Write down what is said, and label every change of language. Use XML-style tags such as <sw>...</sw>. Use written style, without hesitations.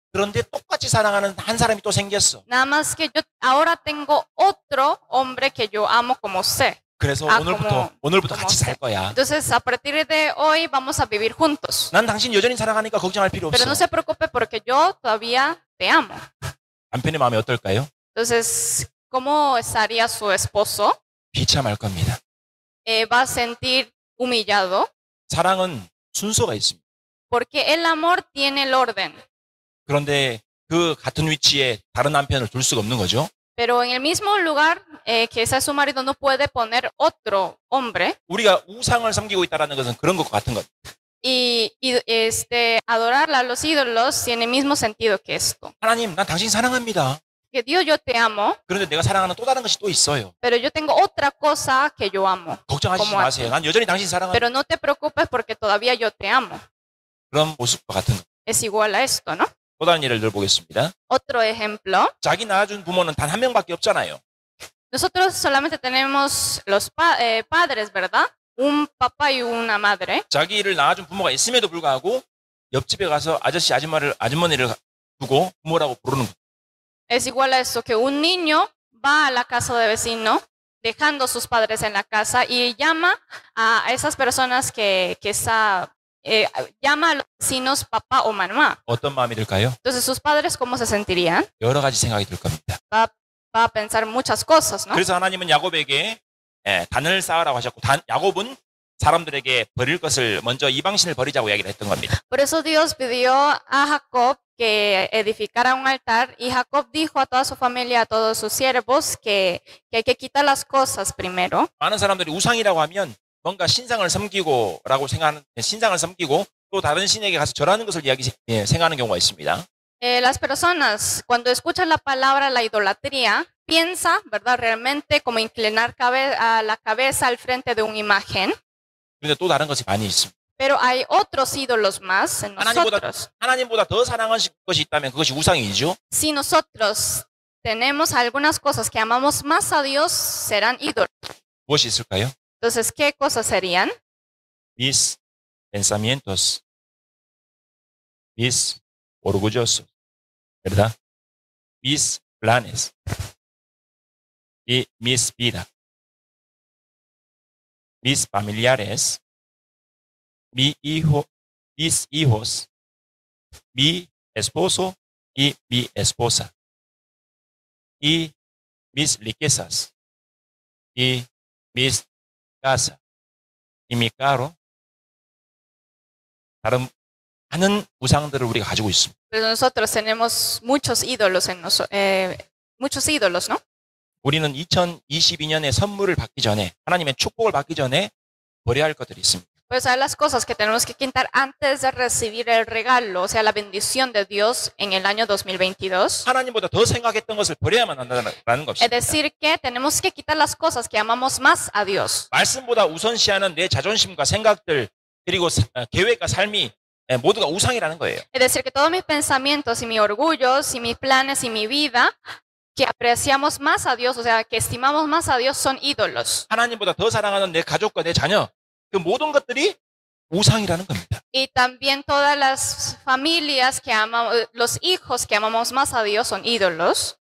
<ko>그런데 똑같이 사랑하는 한 사람이 또 생겼어.</ko> <es>Nada más que yo ahora tengo otro hombre que yo amo como usted.</es> <ko>그래서 오늘부터 같이 살 거야.</ko> <es>Entonces, a partir de hoy vamos a vivir juntos.</es> <ko>난 당신 여전히 사랑하니까 걱정할 필요 없어.</ko> <es>Pero no se preocupe porque yo todavía te amo.</es> <ko>남편의 마음이 어떨까요?</ko> <es>Entonces, ¿cómo estaría su esposo?</es> <ko>비참할 겁니다.</ko> <es>Va a sentir humillado.</es> <ko>사랑은 순서가 있습니다.</ko> <es>Porque el amor tiene el orden.</es> <ko>그런데 그 같은 위치에 다른 남편을 둘 수가 없는 거죠.</ko> <es>Pero en el mismo lugar que está su marido no puede poner otro hombre.</es> <ko>우리가 우상을 섬기고 있다라는 것은 그런 것 같은 것.</ko> <es>Y este adorar a los ídolos tiene el mismo sentido que esto.</es> <ko>하나님, 난 당신 사랑합니다.</ko> <es>Que Dios yo te amo.</es> <ko>그런데 내가 사랑하는 또 다른 것이 또 있어요.</ko> <es>Pero yo tengo otra cosa que yo amo.</es> <ko>걱정하지 마세요. 난 여전히 당신 사랑합니다.</ko> <es>Pero no te preocupes porque todavía yo te amo.</es> <ko>그런 모습과 같은 것.</ko> <es>Es igual a esto, ¿no?</es> <ko>또 다른 예를 들어 보겠습니다.</ko> <es>Otro ejemplo.</es> <ko>자기 낳아준 부모는 단 한 명밖에 없잖아요.</ko> <es>Nosotros solamente tenemos los padres, ¿verdad? Un papá y una madre.</es> <ko>자기를 낳아준 부모가 있음에도 불구하고 옆집에 가서 아저씨, 아줌마를 아주머니를 두고 부모라고 부르는 거.</ko> <es>Es igual a eso que un niño va a la casa de vecino dejando sus padres en la casa y llama a esas personas que está llama a los vecinos papá o mamá.</es> <ko>어떤 마음이 들까요?</ko> <es>Entonces sus padres cómo se sentirían?</es> <ko>여러 가지 생각이 들 겁니다.</ko> <es>Va a pensar muchas cosas, ¿no?</es> <ko>그래서 하나님은 야곱에게 단을 쌓으라고 하셨고 야곱은 사람들에게 버릴 것을 먼저 이방신을 버리자고 이야기를 했던 겁니다.</ko> <es>Por eso Dios pidió a Jacob que edificara un altar y Jacob dijo a toda su familia, a todos sus siervos que hay que quitar las cosas primero.</es> <ko>많은 사람들이 우상이라고 하면 뭔가 신상을 섬기고라고 생각하는 신상을 섬기고 또 다른 신에게 가서 절하는 것을 생각하는 경우가 있습니다.</ko> <es>Las personas cuando escuchan la palabra la idolatría piensa, ¿verdad? Realmente como inclinar la cabeza al frente de una imagen.</es> <ko>근데 또 다른 것이 많이 있습니다.</ko> <es>Pero hay otros ídolos más en nosotros.</es> <ko>하나님보다 더 사랑한 것이 있다면 그것이 우상이죠.</ko> <es>Si nosotros tenemos algunas cosas que amamos más a Dios, serán ídolos.</es> <ko>무엇이 있을까요?</ko> <es>Entonces, ¿qué cosas serían? Mis pensamientos. Mis orgullosos. ¿Verdad? Mis planes. Y mis vida. Mis familiares. Mi hijo, mis hijos, mi esposo y mi esposa, y mis riquezas, y mis casa, y mi carro.</es> <ko>다른 많은 우상들을 우리가 가지고 있습니다.</ko> <es>Pero nosotros tenemos muchos ídolos en nosotros, muchos ídolos, ¿no?</es> <ko>우리는 2022년에 선물을 받기 전에 하나님의 축복을 받기 전에 버려야 할 것들이 있습니다.</ko> <es>Pues hay las cosas que tenemos que quitar antes de recibir el regalo, o sea, la bendición de Dios en el año 2022.</es> <ko>하나님보다 더 생각했던 것을 버려야만 한다는 것입니다.</ko> <es>Es decir que tenemos que quitar las cosas que amamos más a Dios.</es> <ko>말씀보다 우선시하는 내 자존심과 생각들 그리고 계획과 삶이 모두가 우상이라는 거예요.</ko> <es>Es decir que todos mis pensamientos y mis orgullos y mis planes y mi vida que apreciamos más a Dios, o sea, que estimamos más a Dios son ídolos.</es> <ko>하나님보다 더 사랑하는 내 가족과 내 자녀 그 모든 것들이 우상이라는 겁니다.</ko> <es>Y también todas las familias que amamos, los hijos que amamos más a Dios son ídolos.</es>